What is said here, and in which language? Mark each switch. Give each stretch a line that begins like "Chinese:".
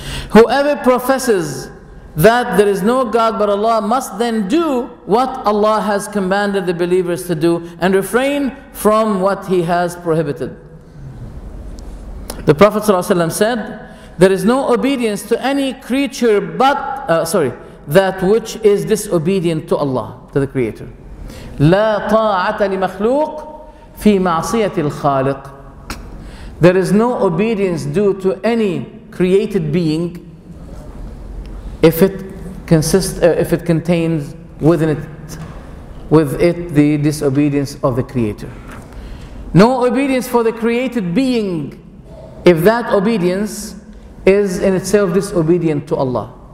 English: Whoever professes that there is no God but Allah must then do what Allah has commanded the believers to do and refrain from what He has prohibited. The Prophet ﷺ said, there is no obedience to any creature but, that which is disobedient to Allah, to the Creator.
Arabic: لا طاعة لمخلوق في معصية الخالق.
English: There is no obedience due to any created being if it contains within it the disobedience of the Creator. No obedience for the created being if that obedience is in itself disobedient to Allah.